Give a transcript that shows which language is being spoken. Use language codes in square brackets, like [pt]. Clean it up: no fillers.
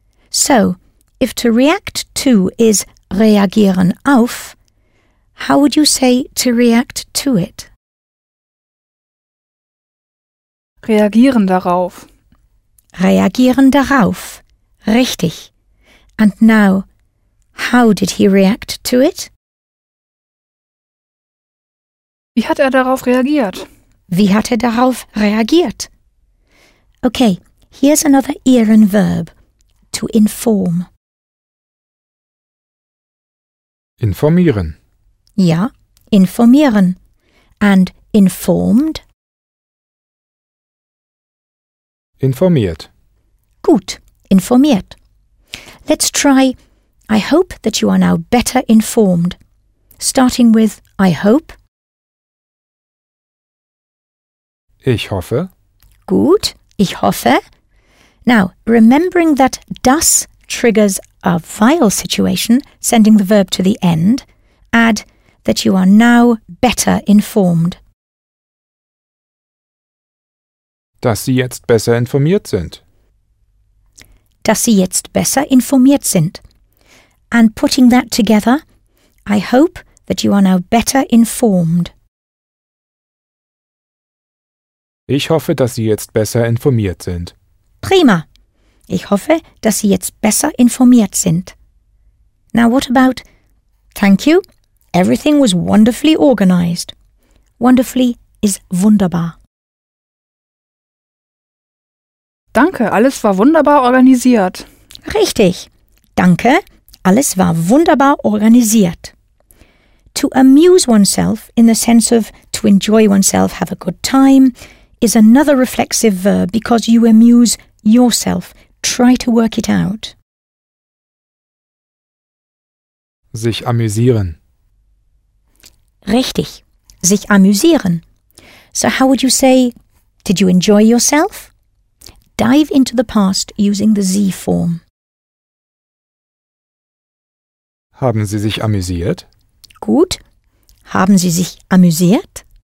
[en] So, if to react to is [de] reagieren auf, [en] how would you say to react to it? [de] Reagieren darauf. Reagieren darauf. Richtig. [en] And now, how did he react to it? [de] Wie hat darauf reagiert? Wie hat darauf reagiert? [en] Okay, here's another ihren verb, to inform. [de] Informieren. Ja, informieren. [en] And informed? [de] Informiert. Gut, informiert. [en] Let's try, I hope that you are now better informed. Starting with I hope. [de] Ich hoffe. Gut, ich hoffe. [en] Now, remembering that das triggers a vowel situation, sending the verb to the end, add that you are now better informed. [de] Dass Sie jetzt besser informiert sind. Dass Sie jetzt besser informiert sind. [en] And putting that together, I hope that you are now better informed. [de] Ich hoffe, dass Sie jetzt besser informiert sind. Prima. Ich hoffe, dass Sie jetzt besser informiert sind. [en] Now what about, thank you, everything was wonderfully organized. Wonderfully is wunderbar. [de] Danke, alles war wunderbar organisiert. Richtig. Danke, alles war wunderbar organisiert. [en] To amuse oneself in the sense of to enjoy oneself, have a good time, is another reflexive verb because you amuse yourself. Try to work it out. [de] Sich amüsieren. Richtig. Sich amüsieren. [en] So how would you say, did you enjoy yourself? Dive into the past using the Z form. [de] Haben Sie sich amüsiert? Gut. Haben Sie sich amüsiert?